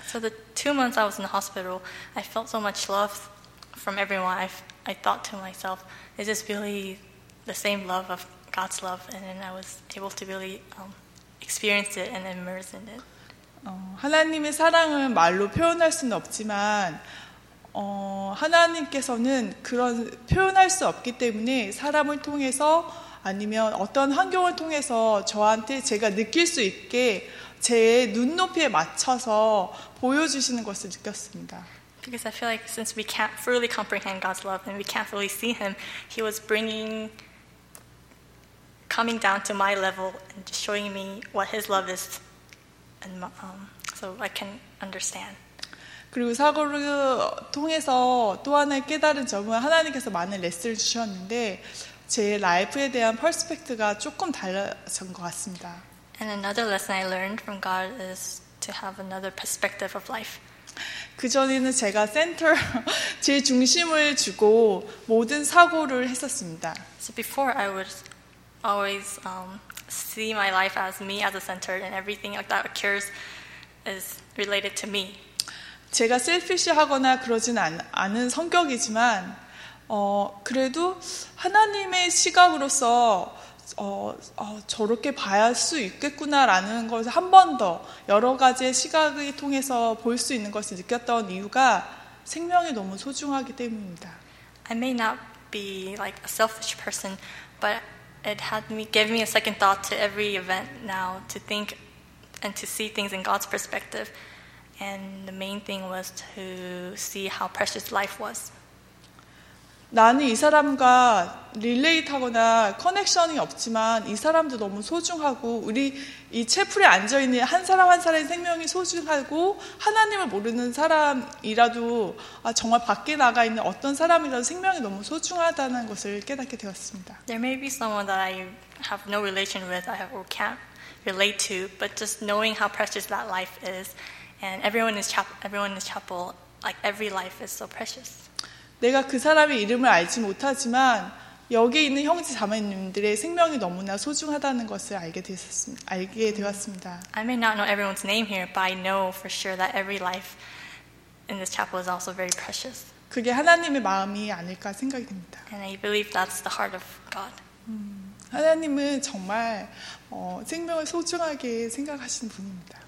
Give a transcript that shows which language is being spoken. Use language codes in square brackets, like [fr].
[en] So the 2 months I was in the hospital, I felt so much love from everyone. I thought to myself, is this really the same love of God's love? And then I was able to really experience it and immerse in it. [ko] 하나님의 사랑을 말로 표현할 수는 없지만 하나님께서는 그런 표현할 수 없기 때문에 사람을 통해서 아니면 어떤 환경을 통해서 저한테 제가 느낄 수 있게 제 눈높이에 맞춰서 보여주시는 것을 느꼈습니다. [en] Because I feel like since we can't fully comprehend God's love and we can't fully see him, he was coming down to my level and just showing me what his love is and so I can understand. [ko] 그리고 사고를 통해서 또 하나의 깨달은 점은 하나님께서 많은 레슨을 주셨는데 제 라이프에 대한 퍼스펙트가 조금 달라진 것 같습니다. [en] And another lesson I learned from God is to have another perspective of life. [ko] 그전에는 제가 제 중심을 주고 모든 사고를 했었습니다. [en] So before I would always see my life as me as a center and everything that occurs is related to me. [ko] 제가 셀피시하거나 그러진 않은 성격이지만 그래도 하나님의 시각으로서 저렇게 봐야 할 수 있겠구나라는 것을 한 번 더 여러 가지의 시각을 통해서 볼 수 있는 것을 느꼈던 이유가 생명이 너무 소중하기 때문입니다. [en] I may not be like a selfish person, but it had me give me a second thought to every event now to think and to see things in God's perspective. And the main thing was to see how precious life was. [ko] 나는 이 사람과 릴레이트하거나 커넥션이 없지만 이 사람도 너무 소중하고 우리 이 채플에 앉아있는 한 사람 한 사람의 생명이 소중하고 하나님을 모르는 사람이라도 정말 밖에 나가 있는 어떤 사람이라도 생명이 너무 소중하다는 것을 깨닫게 되었습니다. [en] There may be someone that I have no relation with, I have or can't relate to, but just knowing how precious that life is And everyone is chapel. Like every life is so precious. [ko] 내가 그 사람의 이름을 알지 못하지만 여기 있는 형제 자매님들의 생명이 너무나 소중하다는 것을 알게 되었습니다. [en] I may not know everyone's name here, but I know for sure that every life in this chapel is also very precious. [ko] 그게 하나님의 마음이 아닐까 생각이 됩니다. [en] And I believe that's the heart of God. [ko] 하나님은 정말 생명을 소중하게 생각하시는 분입니다.